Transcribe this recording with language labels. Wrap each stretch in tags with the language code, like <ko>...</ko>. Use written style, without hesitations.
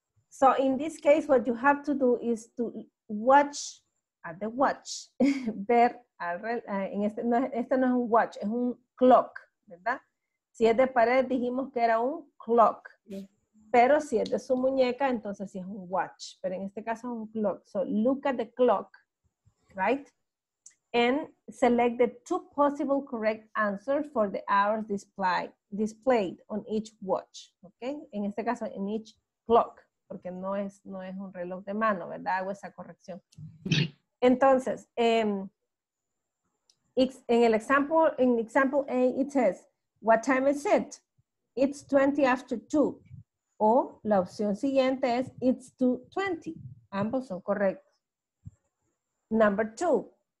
<en>So, in this case, what you have to do is to watch at the watch.</en> <es>Ver, este no es un watch, es un clock, ¿verdad? Si es de pared, dijimos que era un clock. Pero si es de su muñeca, entonces sí es un watch. Pero en este caso es un clock.</es> <en>So, look at the clock, right? And select the two possible correct answers for the hours displayed on each watch. Okay?</en> <es>En este caso,</es> <en>in each clock,</en> <es>porque no es un reloj de mano, ¿verdad? Hago esa corrección. Entonces,</es> <en>in example A, it says, what time is it? It's 20 after 2.</en> <es>O la opción siguiente es,</es> <en>it's 2:20.</en> <es>Ambos son correctos.</es> <en>Number two.</en>